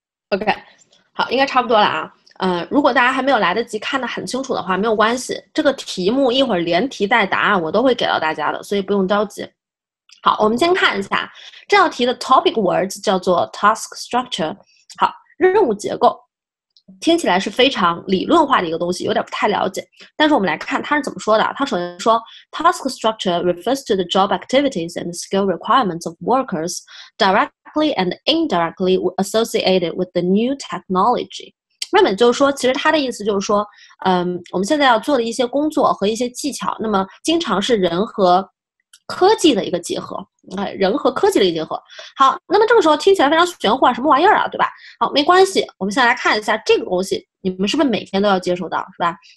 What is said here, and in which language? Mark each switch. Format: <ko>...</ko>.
<zh>OK， 好，应该差不多了啊。如果大家还没有来得及看得很清楚的话，没有关系，这个题目一会儿连题带答案我都会给到大家的，所以不用着急。好，我们先看一下这道题的 topic words 叫做 task structure。好，任务结构听起来是非常理论化的一个东西，有点不太了解，但是我们来看它是怎么说的。它首先说</zh> <en>task structure refers to the job activities and skill requirements of workers directly and indirectly associated with the new technology。</en> <zh>那么就是说，其实他的意思就是说，我们现在要做的一些工作和一些技巧，那么经常是人和科技的一个结合，人和科技的一个结合。好，那么这个时候听起来非常玄乎啊，什么玩意儿啊，对吧？好，没关系，我们先来看一下这个东西，你们是不是每天都要接触到，是吧？</zh>